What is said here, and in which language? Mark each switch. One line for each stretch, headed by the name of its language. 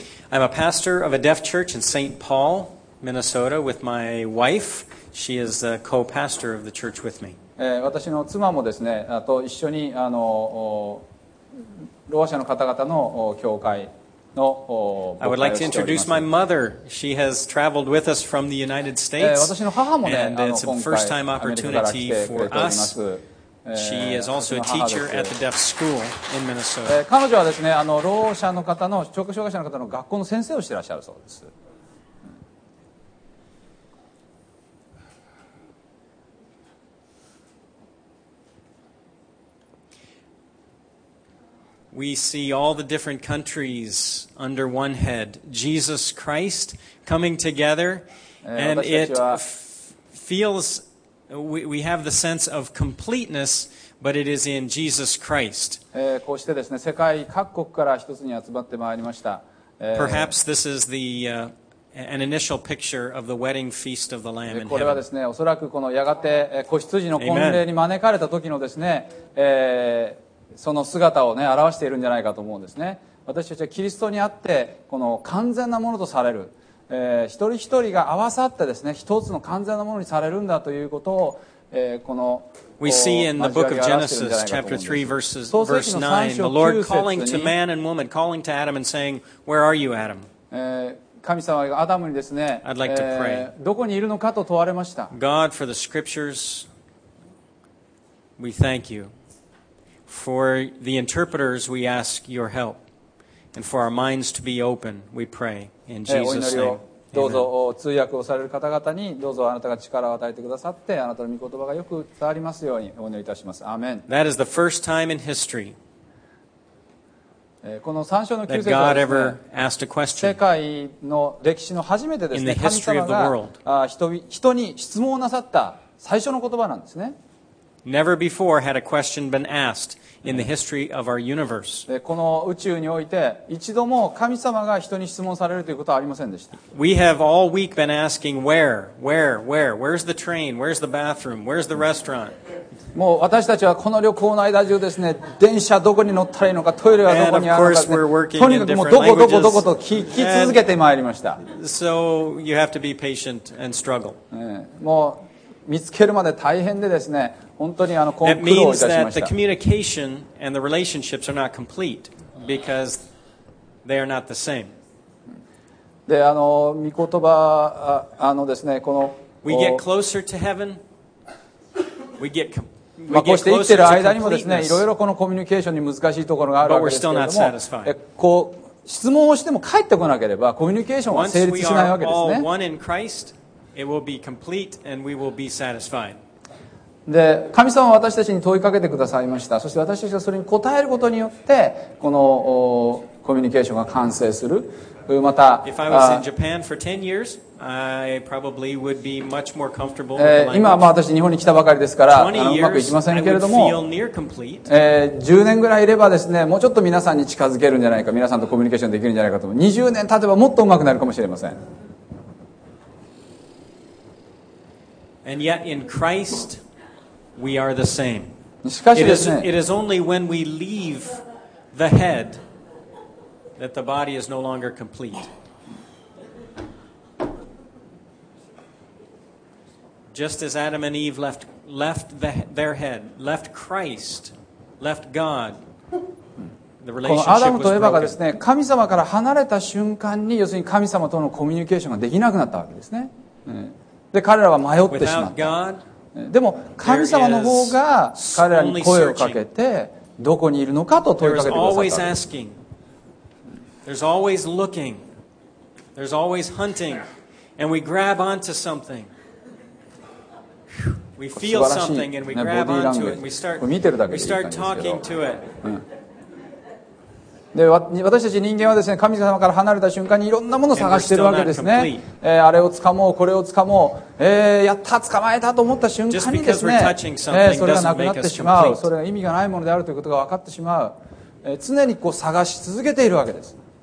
English: I'm a pastor of a deaf church in St. Paul, Minnesota, with my wife. She is the co-pastor of the church with me.
Japanese: 私の妻もですね、あと一緒にあのろう者の方々の教会の牧会をしております。
English: I would like to introduce my mother. She has traveled with us from the United States.
Japanese: 私の母もね、
English: And it's a first-time opportunity for us. She is also a teacher at the deaf school in Minnesota.
Japanese: 彼女はですね、あのろう者の方の聴覚障害者の方の学校の先生をしていらっしゃるそうです。
English: We see all the different countries under one head, Jesus Christ coming together, and it feels we have the sense of completeness, but it is in Jesus Christ.
Japanese: こうしてですね、世界各国から一つに集まってまいりました。
English: Perhaps this is the an initial picture of the wedding feast of the Lamb in
Japanese: これはですね、おそらくこのやがて子羊の婚礼に招かれた時のですね。その姿を、ね、表しているんじゃないかと思うんですね。私たちはキリストにあってこの完全なものとされる、一人一人が合わさってですね、一つの完全なものにされるんだということを、このこ
English: We see in the book of Genesis, chapter 3, verse 9, the Lord calling to man and woman, calling to Adam and saying, Where are you, Adam?
Japanese: 神様がアダムにですね、
English: I'd like to pray.
Japanese: どこにいるのかと問われました。
English: God, for the scriptures, we thank you. For the interpreters, we ask your help. And for our minds to be open, we pray in Jesus' name.
Japanese: どうぞ通訳をされる方々にどうぞあなたが力を与えてくださってあなたの御言葉がよく伝わりますようにお祈りいたします。アーメン。
English: That is the first time in history
Japanese: この三章の旧約で世界の歴史の初めてですね、神様が人に質問をなさった最初の言葉なんですね。
English: Never before had a question been asked in the history of our universe.
Japanese: この宇宙において一度も神様が人に質問されるということはありませんでした。
English: We have all week been asking where's the train, where's the bathroom, where's the restaurant?
Japanese: もう私たちはこの旅行の間中ですね、電車どこに乗ったらいいのか、トイレはどこにあるのか、とにかくもうどこと聞き続けてまいりました。
English: So you have to be patient and struggle.
Japanese: もう見つけるまで大変でですね、本当にあの苦労いたしました。
English: It means that the communication and the relationships are not complete because they are not the same.
Japanese: で、あの御言葉あのですね、この
English: We get closer to heaven. We get
Japanese: まあ、こうして生きている間にもですね、いろいろこのコミュニケーションに難しいところがあるわけですけれども、こう質問をしても返ってこなければコミュニケーションは成立しないわけですね。
English: Once we are all one in Christ. It will be complete and we will be satisfied.
Japanese: で、神様は私たちに問いかけてくださいました。そして私たちがそれに答えることによって、このコミュニケーションが完成する。また、
English: If I was in Japan for 10 years, I probably would be much more comfortable with the language.
Japanese: 今は私日本に来たばかりですから、うまくいきませんけれども、10年ぐらいいればですね、もうちょっと皆さんに近づけるんじゃないか、皆さんとコミュニケーションできるんじゃないかと思う。 20年経てばもっとうまくなるかもしれません。
English: And yet in Christ, we are the same.
Japanese: しかしですね、
English: it is only when we leave the head that the body is no longer complete. Just as Adam and Eve left their head, left Christ, left God, the relationship
Japanese: このアダムとエヴァがですね、神様から離れた瞬間に、要するに神様とのコミュニケーションができなくなったわけですね。で彼らは迷ってしまった。でも神様の方が彼らに声をかけてどこにいるのかと問いかけてくださった。
English: There's always looking. There's always hunting. And we grab onto something. We feel something and we grab onto it. We start.
Japanese: 見てるだけでいい感じですけど。で私たち人間はですね、神様から離れた瞬間にいろんなものを探しているわけですね。あれを掴もう、これを掴もう、やった、捕まえたと思った瞬間にですね、それがなくなってしまう、それが意味がないものであるということが分かってしまう、常にこう探し続けているわけです。